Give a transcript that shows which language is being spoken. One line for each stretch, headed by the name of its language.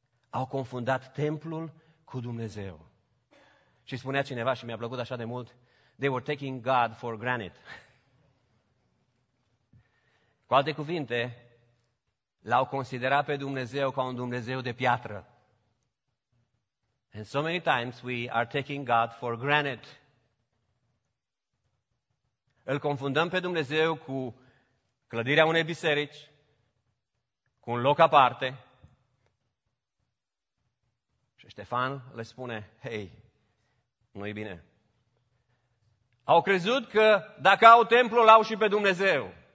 Romanian: Au confundat templul cu Dumnezeu. Și spunea cineva și mi-a plăcut așa de mult,
English: they were taking God for granted.
Romanian: Cu alte cuvinte, l-au considerat pe Dumnezeu ca un Dumnezeu de piatră.
English: And so many times we are taking God for granted.
Romanian: Îl confundăm pe Dumnezeu cu clădirea unei biserici, cu un loc aparte. Și Ștefan le spune, hei, nu-i bine. Au crezut că dacă au templul, au și pe Dumnezeu.